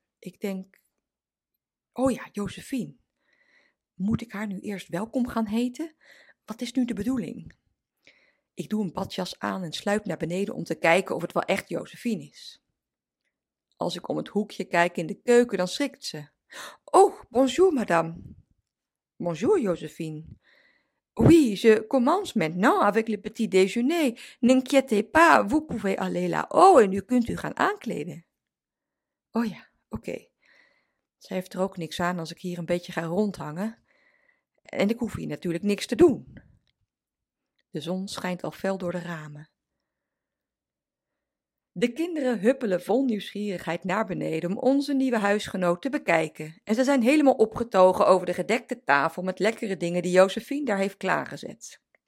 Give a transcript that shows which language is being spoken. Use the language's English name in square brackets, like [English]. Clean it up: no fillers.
[Dutch] Ik denk, oh ja, Josephine, moet ik haar nu eerst welkom gaan heten? Wat is nu de bedoeling? Ik doe een badjas aan en sluip naar beneden om te kijken of het wel echt Josephine is. Als ik om het hoekje kijk in de keuken, dan schrikt ze. [French] Oh, bonjour, madame. Bonjour, Josephine. Oui, je commence maintenant avec le petit déjeuner. N'inquiétez pas, vous pouvez aller là-haut [Dutch] en nu kunt u gaan aankleden. Oh ja, oké. Okay. Zij heeft er ook niks aan als ik hier een beetje ga rondhangen. En ik hoef hier natuurlijk niks te doen. De zon schijnt al fel door de ramen. De kinderen huppelen vol nieuwsgierigheid naar beneden om onze nieuwe huisgenoot te bekijken en ze zijn helemaal opgetogen over de gedekte tafel met lekkere dingen die Josephine daar heeft klaargezet.